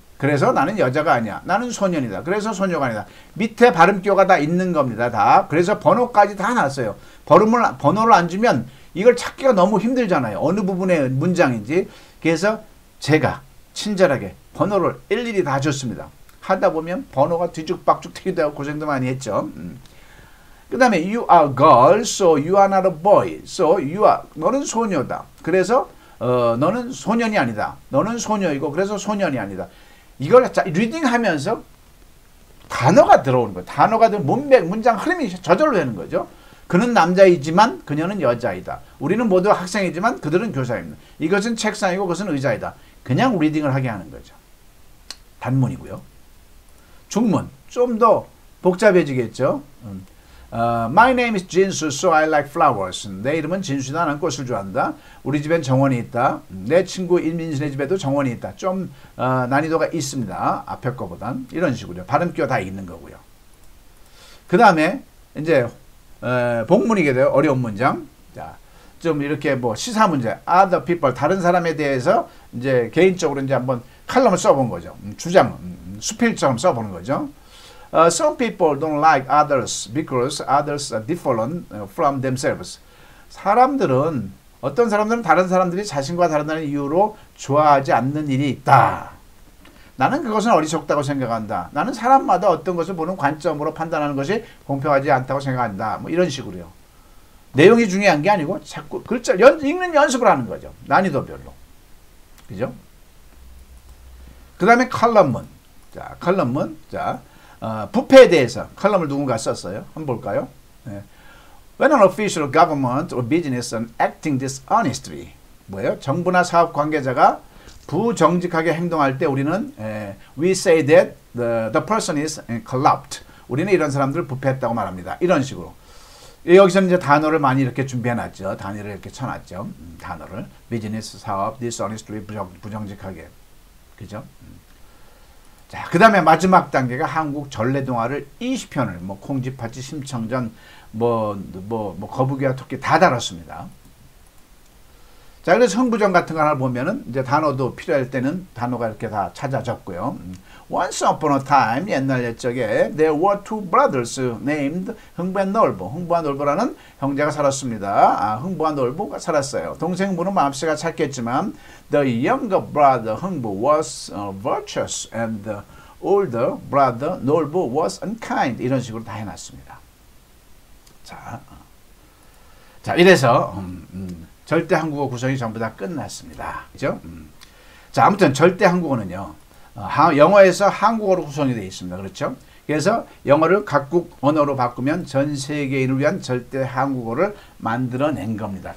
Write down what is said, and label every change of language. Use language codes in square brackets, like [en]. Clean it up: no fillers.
[ko] 그래서 나는 여자가 아니야. 나는 소년이다. 그래서 소녀가 아니다. 밑에 발음기호가 다 있는 겁니다. 다. 그래서 번호까지 다 놨어요. 번호를 안 주면 이걸 찾기가 너무 힘들잖아요. 어느 부분의 문장인지. 그래서 제가 친절하게 번호를 일일이 다 줬습니다. 하다 보면 번호가 뒤죽박죽 되기도 하고 고생도 많이 했죠. [en] 그 다음에 You are a girl, so you are not a boy. So you are, [ko] 너는 소녀다. 그래서 너는 소년이 아니다. 너는 소녀이고 그래서 소년이 아니다. 이걸 리딩 하면서 단어가 들어오는 거예요. 단어가 문맥, 문장 흐름이 저절로 되는 거죠. 그는 남자이지만 그녀는 여자이다. 우리는 모두 학생이지만 그들은 교사입니다. 이것은 책상이고 그것은 의자이다. 그냥 리딩을 하게 하는 거죠. 단문이고요. 중문, 좀 더 복잡해지겠죠. [en] My name is Jin-su, so I like flowers. [ko] 내 이름은 진수다. 나는 꽃을 좋아한다. 우리 집엔 정원이 있다. 내 친구 임민진의 집에도 정원이 있다. 좀 난이도가 있습니다. 앞에 거보단. 이런 식으로 발음기가 다 있는 거고요. 그 다음에 이제 복문이게 돼요. 어려운 문장. 자, 좀 이렇게 뭐 시사 문제. [en] Other people, [ko] 다른 사람에 대해서 이제 개인적으로 이제 한번 칼럼을 써본 거죠. 주장, 수필처럼 써보는 거죠. [en] Some people don't like others because others are different from themselves. [ko] 사람들은, 어떤 사람들은 다른 사람들이 자신과 다른다는 이유로 좋아하지 않는 일이 있다. 나는 그것은 어리석다고 생각한다. 나는 사람마다 어떤 것을 보는 관점으로 판단하는 것이 공평하지 않다고 생각한다. 뭐 이런 식으로요. 내용이 중요한 게 아니고 자꾸 글자 읽는 연습을 하는 거죠. 난이도별로. 그죠? 그 다음에 칼럼문. 자, 칼럼문. 자, 부패에 대해서 칼럼을 누군가 썼어요. 한번 볼까요? 네. [en] When an official government or business is acting dishonestly. [ko] 뭐예요? 정부나 사업 관계자가 부정직하게 행동할 때 우리는 [en] we say that the person is corrupt. [ko] 우리는 이런 사람들을 부패했다고 말합니다. 이런 식으로. 여기서는 이제 단어를 많이 이렇게 준비해놨죠. 단어를 이렇게 쳐놨죠. 단어를. business, 사업, dishonestly, 부정직하게. 그죠? 자, 그 다음에 마지막 단계가 한국 전래동화를 20편을, 뭐, 콩쥐팥쥐, 심청전, 뭐, 거북이와 토끼 다 달았습니다. 자, 그래서 흥부정 같은 거 하나 보면은 이제 단어도 필요할 때는 단어가 이렇게 다 찾아졌고요. [en] Once upon a time, [ko] 옛날 옛적에 [en] there were two brothers named 흥부와 놀부. [ko] 흥부와 놀부라는 형제가 살았습니다. 아, 흥부와 놀부가 살았어요. 동생부는 마음씨가 찾겠지만 [en] the younger brother 흥부 was virtuous and the older brother 놀부 was unkind. [ko] 이런 식으로 다 해놨습니다. 자, 이래서 절대 한국어 구성이 전부 다 끝났습니다. 그죠? 자, 아무튼 절대 한국어는요. 영어에서 한국어로 구성이 되어 있습니다. 그렇죠? 그래서 영어를 각국 언어로 바꾸면 전 세계인을 위한 절대 한국어를 만들어낸 겁니다.